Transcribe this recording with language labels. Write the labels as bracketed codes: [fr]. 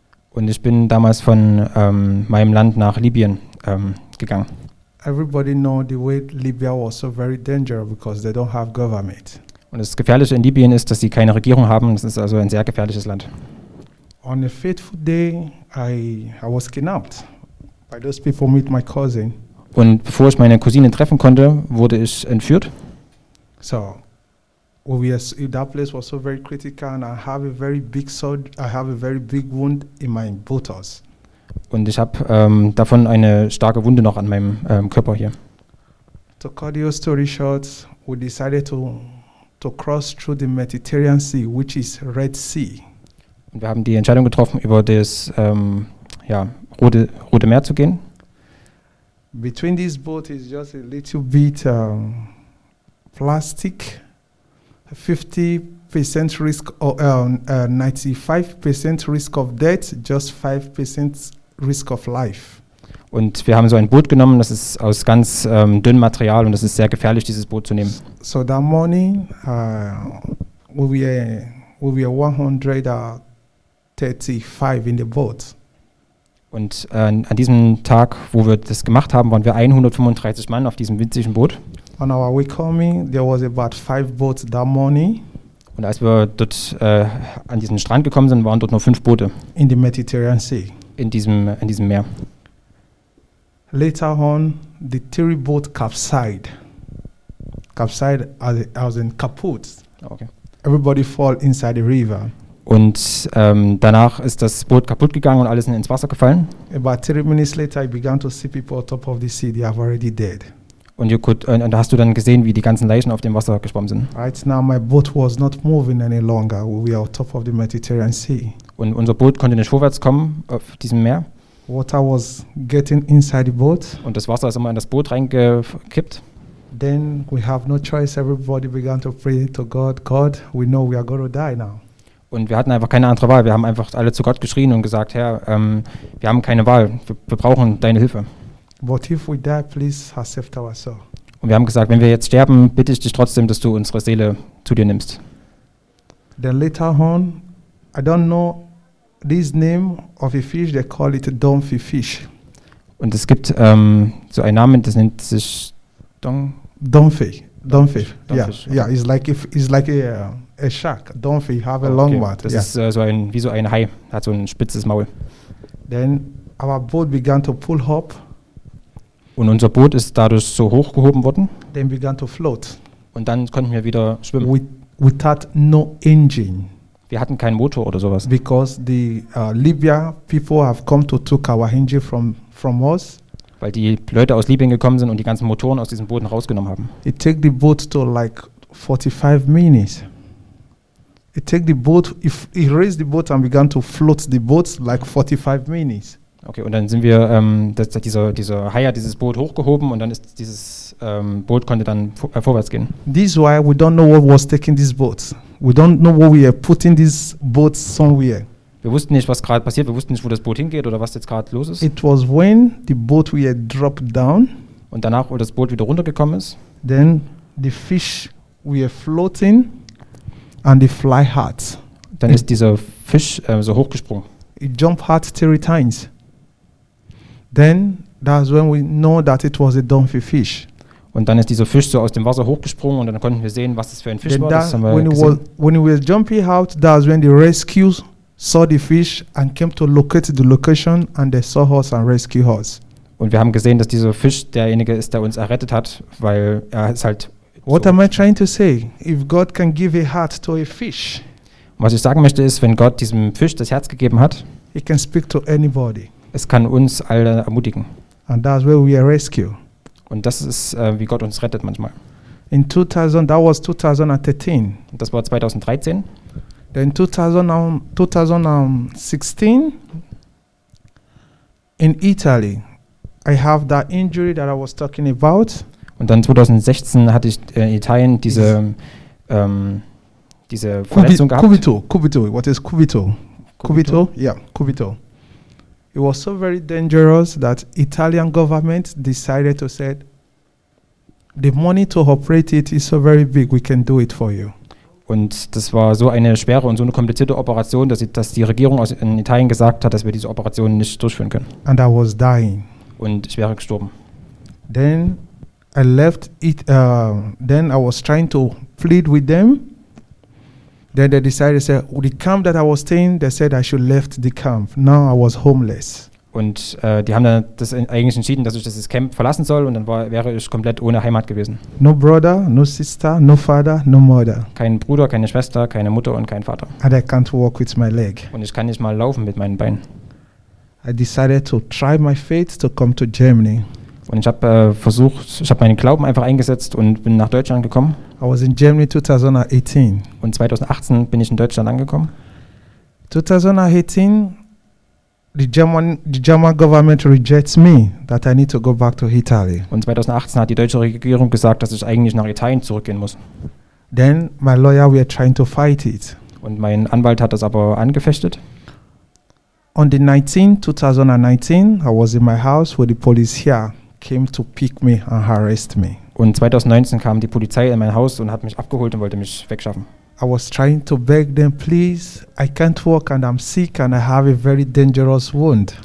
[de] Und ich bin damals von meinem Land nach Libyen gegangen. [en] Everybody know the way Libya was so very dangerous because they don't have government. [de] Und das Gefährliche in Libyen ist, dass sie keine Regierung haben. Das ist also ein sehr gefährliches Land. [en] On a fateful day, I was kidnapped by those people meet my cousin. [de] Und bevor ich meine Cousine treffen konnte, wurde ich entführt. [en] So, obviously that place was so very critical, and I have a very big wound in my buttocks. [de] Und ich habe davon eine starke Wunde noch an meinem Körper hier. [en] To cut your story short, we decided to cross through the Mediterranean Sea, which is Red Sea. [de] Und wir haben die Entscheidung getroffen, über das Rote Meer zu gehen. [en] Between this boat is just a little bit plastic, 50% risk or 95% risk of death, just 5% risk of life. [de] Und wir haben so ein Boot genommen, das ist aus ganz dünnem Material und es ist sehr gefährlich, dieses Boot zu nehmen. [en] So that morning, we were 135 in the boat. [de] Und an diesem Tag, wo wir das gemacht haben, waren wir 135 Mann auf diesem winzigen Boot. [en] On our way coming, there was about 5 boats that morning. [de] Und als wir dort an diesen Strand gekommen sind, waren dort nur 5 Boote. [en] In the Mediterranean Sea. [de] In diesem Meer. [en] Later on, the 3 boat capsized. Capsized as in kaput. Okay. Everybody fall inside the river. [de] Und danach ist das Boot kaputt gegangen und alle sind ins Wasser gefallen. [en] About 3 minutes later, I began to see people on top of the sea. They are already dead. [de] Und hast du dann gesehen, wie die ganzen Leichen auf dem Wasser geschwommen sind? [en] Right now, my boat was not moving any longer. We were on top of the Mediterranean Sea. [de] Und unser Boot konnte nicht vorwärts kommen auf diesem Meer. [en] Water was getting inside the boat. [de] Und das Wasser ist immer in das Boot reingekippt. [en] Then we have no choice. Everybody began to pray to God. God, we know we are going to die now. [de] Und wir hatten einfach keine andere Wahl. Wir haben einfach alle zu Gott geschrien und gesagt, Herr, wir haben keine Wahl. Wir brauchen deine Hilfe. [en] But if we die, please accept our soul. [de] Und wir haben gesagt, wenn wir jetzt sterben, bitte ich dich trotzdem, dass du unsere Seele zu dir nimmst. [en] Then later on, I don't know this name of a fish, they call it donkey fish. [de] Und es gibt so einen Namen, das nennt sich [en] Donkey. Yeah, it's like a shark. Donkey have a long mouth. [de] Das ist wie so ein Hai, hat so ein spitzes Maul. [en] Then our boat began to pull up. [de] Und unser Boot ist dadurch so hochgehoben worden. [en] Then began to float. [de] Und dann konnten wir wieder schwimmen. [en] Without no engine. [de] Wir hatten keinen Motor oder sowas. [en] Because the Libya people have come to took our engine from us. [de] Weil die Leute aus Libyen gekommen sind und die ganzen Motoren aus diesen Booten rausgenommen haben. [en] It take the boat to like 45 minutes. It take the boat if it raised the boat and began to float the boat like 45 minutes. [de] Okay, und dann sind wir, dieser Hai hat dieses Boot hochgehoben und dann ist dieses Boot konnte dann vorwärts gehen. [en] This is why we don't know what was taking this boat. We don't know where we are putting this boat somewhere. [de] Wir wussten nicht, was gerade passiert. Wir wussten nicht, wo das Boot hingeht oder was jetzt gerade los ist. [en] It was when the boat we had dropped down. [de] Und danach, wo das Boot wieder runtergekommen ist. [en] Then the fish we are floating and the fly hat. [de] Dann ist dieser Fisch so hochgesprungen. [en] It jumped hard 3 times. Then that's when we know that it was a donkey fish. [de] Und dann ist dieser Fisch so aus dem Wasser hochgesprungen und dann konnten wir sehen, was das für ein Fisch war. Das haben wir gesehen. [en] When we were jumping out, that's when the rescue saw the fish and came to locate the location and they saw us and rescued us. [de] Und wir haben gesehen, dass dieser Fisch derjenige ist, der uns errettet hat, weil er ist halt. [en] What am I trying to say? If God can give a heart to a fish. [de] Was ich sagen möchte ist, wenn Gott diesem Fisch das Herz gegeben hat, [en] he can speak to anybody. [de] Es kann uns alle ermutigen. [en] And that's where we are rescued. [de] Und das ist, wie Gott uns rettet manchmal. [en] In 2000, that was 2013. [de] Und das war 2013. [en] Then 2016, In Italy, I have that injury that I was talking about. [de] Und dann 2016 hatte ich in Italien diese diese Verletzung gehabt. [en] Cubito. What is cubito? Cubito. Yeah, cubito. It was so very dangerous that Italian government decided to say, the money to operate it is so very big, we can do it for you. [de] Und das war so eine schwere und so eine komplizierte Operation, dass die Regierung in Italien gesagt hat, dass wir diese Operation nicht durchführen können. [en] And I was dying. [de] Und ich wäre gestorben. [en] Then I left it. Then I was trying to plead with them. Then they decided to say, the camp that I was staying, they said I should left the camp. Now I was homeless. [de] Und die haben dann das eigentlich entschieden, dass ich das Camp verlassen soll, und dann wäre ich komplett ohne Heimat gewesen. [en] No brother, no sister, no father, no mother. [de] Kein Bruder, keine Schwester, keine Mutter und kein Vater. [en] And I can't walk with my leg. [de] Und ich kann nicht mal laufen mit meinen Beinen. [en] I decided to try my faith to come to Germany. [de] Und ich habe ich habe meinen Glauben einfach eingesetzt und bin nach Deutschland gekommen. [en] I was in Germany 2018. [de] Und 2018 bin ich in Deutschland angekommen. [en] 2018, the German government rejects me, that I need to go back to Italy. [de] Und 2018 hat die deutsche Regierung gesagt, dass ich eigentlich nach Italien zurückgehen muss. [en] Then my lawyer, we are trying to fight it. [de] Und mein Anwalt hat das aber angefechtet. [en] On the 19th, 2019, I was in my house with the police here. Came to pick me and harassed me. [de] Und 2019 kam die Polizei in mein Haus und hat mich abgeholt und wollte mich wegschaffen. [en] I was trying to beg them, please, I can't walk and I'm sick and I have a very dangerous wound.